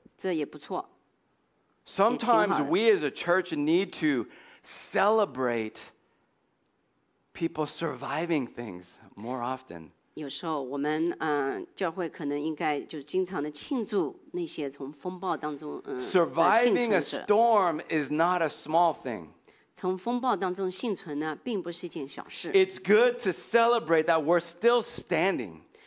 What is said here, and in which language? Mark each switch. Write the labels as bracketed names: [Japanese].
[Chinese] 这也不错。 [English] Sometimes we as a church need to celebrate people surviving things more often. [Chinese] 有时候我们 教会可能应该就经常的庆祝那些从风暴当中 [English] Surviving a storm is not a small thing. [Chinese] 从风暴当中幸存呢，并不是一件小事。 [English] It's good to celebrate that we're still standing.